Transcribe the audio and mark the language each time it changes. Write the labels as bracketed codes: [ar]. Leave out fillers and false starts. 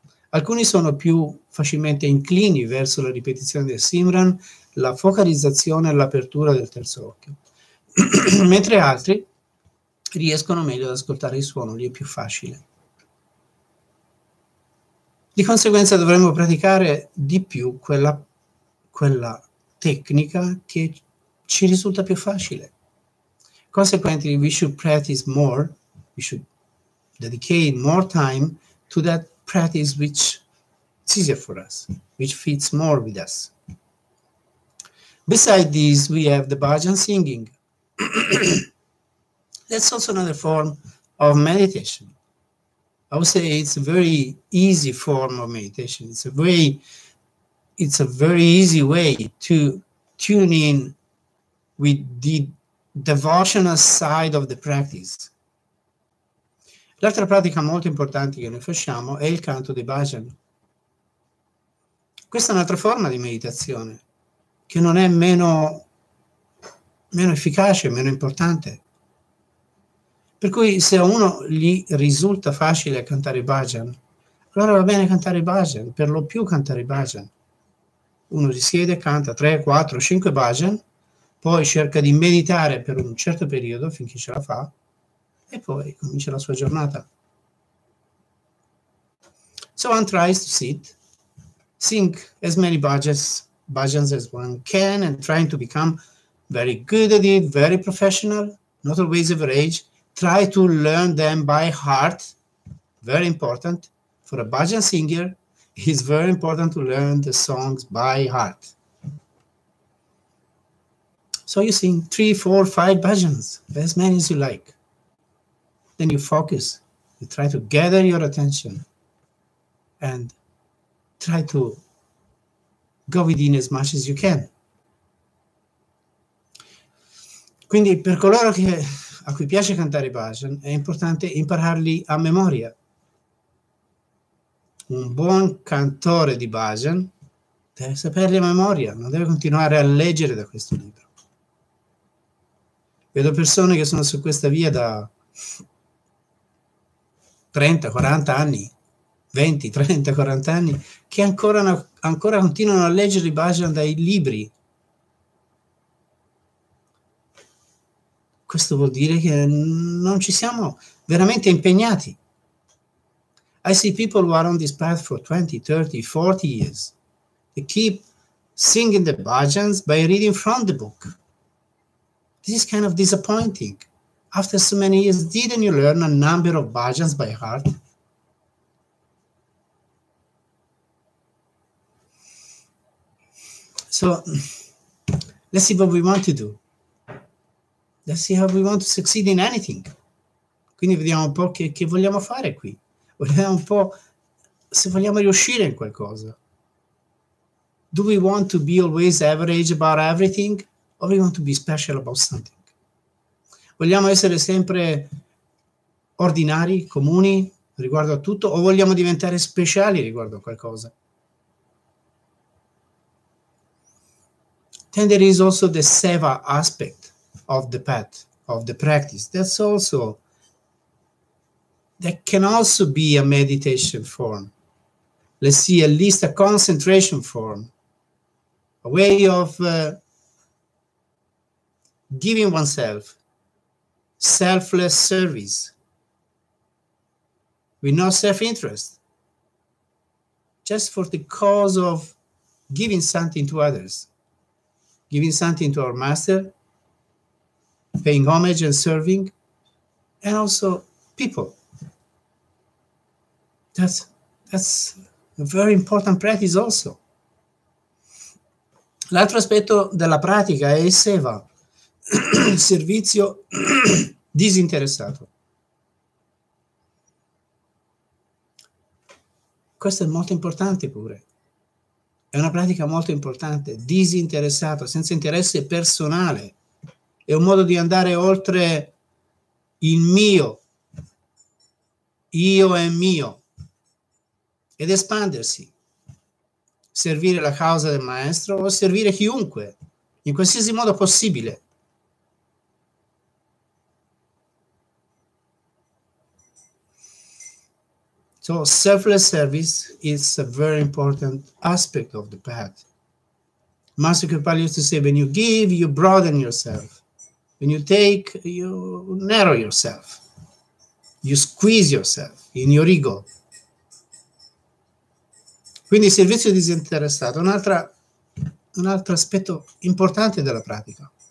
[it] Alcuni sono più facilmente inclini verso la ripetizione del Simran, la focalizzazione e l'apertura del terzo occhio, mentre altri riescono meglio ad ascoltare il suono, gli è più facile. Di conseguenza dovremmo praticare di più quella tecnica che ci risulta più facile. [en] Consequently, we should practice more, we should dedicate more time to that practice which easier for us, which fits more with us. Besides this, we have the bhajan singing. That's also another form of meditation. I would say it's a very easy form of meditation. It's a very easy way to tune in with the devotional side of the practice. [it] L'altra pratica molto importante che noi facciamo è il canto di Bhajan. Questa è un'altra forma di meditazione, che non è meno efficace, meno importante. Per cui se a uno gli risulta facile cantare Bhajan, allora va bene cantare Bhajan, per lo più cantare Bhajan. Uno si siede, canta 3, 4, 5 Bhajan, poi cerca di meditare per un certo periodo finché ce la fa, e poi comincia la sua giornata. [en] So one tries to sit, sing as many bhajans as one can, and trying to become very good at it, very professional, not always average. Try to learn them by heart. Very important. For a bhajan singer, it's very important to learn the songs by heart. So you sing 3, 4, 5 bhajans, as many as you like. Then you focus, you try to gather your attention and try to go within as much as you can. [it] Quindi per coloro che, a cui piace cantare Bhajan, è importante impararli a memoria. Un buon cantore di Bhajan deve saperli a memoria, non deve continuare a leggere da questo libro. Vedo persone che sono su questa via da 30, 40 anni, 20, 30, 40 anni, che ancora continuano a leggere i Bhajan dai libri. Questo vuol dire che non ci siamo veramente impegnati. [en] I see people who are on this path for 20, 30, 40 years. They keep singing the Bhajans by reading from the book. This is kind of disappointing. After so many years, didn't you learn a number of bhajans by heart? So, let's see what we want to do. Let's see how we want to succeed in anything. [it] Quindi vediamo un po' che vogliamo fare qui. Vediamo un po' se vogliamo riuscire in qualcosa. [en] Do we want to be always average about everything? Or we want to be special about something? [it] Vogliamo essere sempre ordinari, comuni, riguardo a tutto, o vogliamo diventare speciali riguardo a qualcosa? [en] Then there is also the seva aspect of the path, of the practice. That's also, that can also be a meditation form. Let's see, at least a concentration form, a way of giving oneself selfless service with no self-interest, just for the cause of giving something to others, giving something to our master, paying homage and serving, and also people. That's a very important practice also. [it] L'altro aspetto della pratica è il seva, il servizio disinteressato. Questo è molto importante pure. È una pratica molto importante, disinteressato, senza interesse personale. È un modo di andare oltre il mio, io e mio, ed espandersi, servire la causa del maestro o servire chiunque, in qualsiasi modo possibile. [en] So selfless service is a very important aspect of the path. Master Kripal used to say, when you give, you broaden yourself. When you take, you narrow yourself. You squeeze yourself in your ego. [it] Quindi servizio disinteressato, un altro aspetto importante della pratica.